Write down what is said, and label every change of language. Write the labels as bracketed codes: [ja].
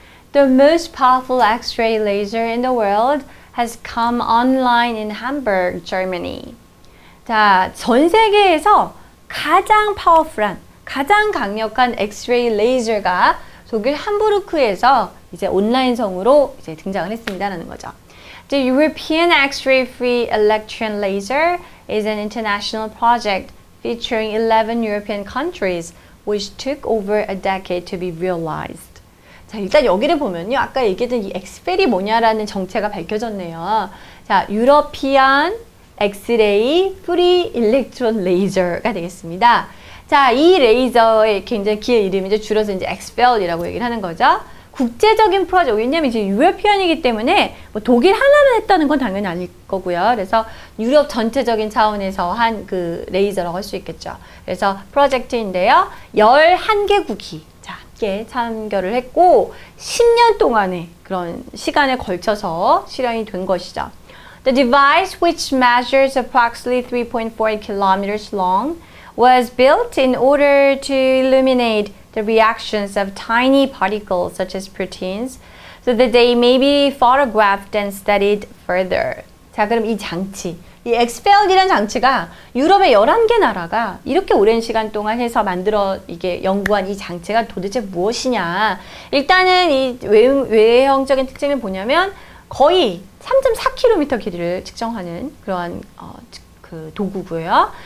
[en] The most powerful X-ray laser in the world has come online in Hamburg, Germany. [ko] 자, 전 세계에서 가장 파워풀한, 가장 강력한 엑스레이 레이저가 독일 함부르크에서 이제 온라인성으로 이제 등장을 했습니다라는 거죠. [en] The European X-ray free electron laser is an international project featuring 11 European countries which took over a decade to be realized. [ko] 자, 일단 여기를 보면요. 아까 얘기했던 이 엑스펠이 뭐냐라는 정체가 밝혀졌네요. 자, 유러피안 엑스레이 프리 일렉트론 레이저가 되겠습니다. 자, 이 레이저의 굉장히 길 이름이죠. 줄여서 이제 엑스펠이라고 얘기를 하는 거죠. 국제적인 프로젝트. 왜냐면 이제 유럽이기 때문에 뭐 독일 하나만 했다는 건 당연히 아닐 거고요. 그래서 유럽 전체적인 차원에서 한 그 레이저라고 할 수 있겠죠. 그래서 프로젝트인데요. 11개국이 자, 함께 참여를 했고 10년 동안의 그런 시간에 걸쳐서 실현이 된 것이죠. [en] The device, which measures approximately 3.4 kilometers long, was built in order to illuminate the reactions of tiny particles such as proteins so that they may be photographed and studied further. [ko] 자, 그럼 이 장치, 이 엑스펠이라는 장치가 유럽의 11개 나라가 이렇게 오랜 시간 동안 해서 만들어 이게 연구한 이 장치가 도대체 무엇이냐. 일단은 이 외형적인 특징을 보냐면 거의 3.4km 길이를 측정하는 그러한 그 도구고요.